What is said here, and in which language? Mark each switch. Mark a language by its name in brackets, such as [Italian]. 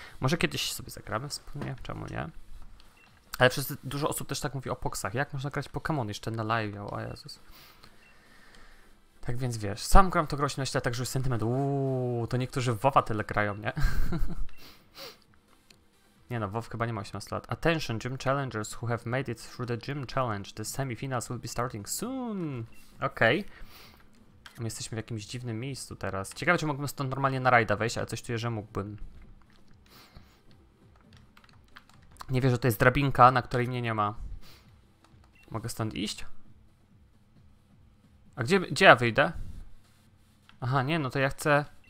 [Polish] Może kiedyś sobie zagramy wspólnie, czemu nie? Ale przez dużo osób też tak mówi o poksach. Jak można grać Pokémon jeszcze na live, o Jezus. Tak więc wiesz, sam gram to grać na myślę, także już sentyment. Uuu, to niektórzy w WoWa tyle grają, nie? Nie no, WoW chyba nie ma 18 lat. [English] Attention gym challengers who have made it through the gym challenge. The semifinals will be starting soon. [Polish] Okej. Okay. My jesteśmy w jakimś dziwnym miejscu teraz. Ciekawe, czy mógłbym stąd normalnie na rajda wejść, ale coś czuję, że mógłbym. Nie wierzę, że to jest drabinka, na której mnie nie ma. Mogę stąd iść? A gdzie ja wyjdę? Aha, nie, no to ja chcę...